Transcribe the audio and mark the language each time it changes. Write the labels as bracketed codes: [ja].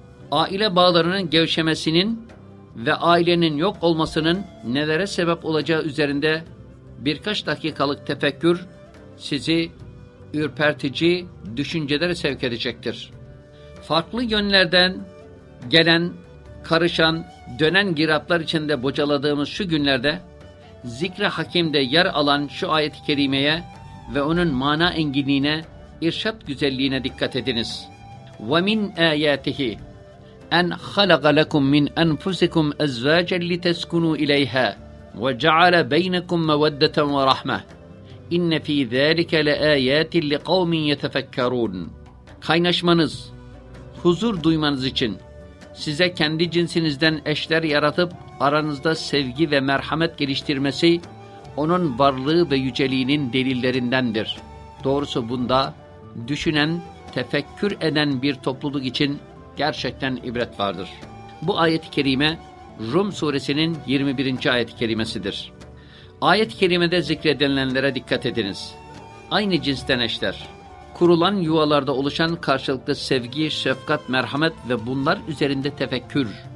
[tr] Aile bağlarının gevşemesinin ve ailenin yok olmasının nelere sebep olacağı üzerinde birkaç dakikalık tefekkür sizi ürpertici düşüncelere sevk edecektir. Farklı yönlerden gelen, karışan, dönen giraplar içinde bocaladığımız şu günlerde, Zikr-i Hakim'de yer alan şu ayet-i kerimeye ve onun mana enginliğine, irşat güzelliğine dikkat ediniz. [ar] وَمِنْ اَيَاتِهِ اَنْ خَلَقَ لَكُمْ مِنْ اَنْفُسِكُمْ اَزْوَاجًا لِتَسْكُنُوا اِلَيْهَا وَجَعَلَ بَيْنَكُمْ مَوَدَّةً وَرَحْمَةً اِنَّ ف۪ي ذَٰلِكَ لَآيَاتٍ لِقَوْمٍ يَتَفَكَّرُونَ [tr] Kaynaşmanız, huzur duymanız için size kendi cinsinizden eşler yaratıp aranızda sevgi ve merhamet geliştirmesi onun varlığı ve yüceliğinin delillerindendir. Doğrusu bunda düşünen, tefekkür eden bir topluluk için gerçekten ibret vardır. Bu ayet-i kerime Rum suresinin 21. ayet-i kerimesidir. Ayet-i kerimede zikredilenlere dikkat ediniz. Aynı cinsten eşler, kurulan yuvalarda oluşan karşılıklı sevgi, şefkat, merhamet ve bunlar üzerinde tefekkür.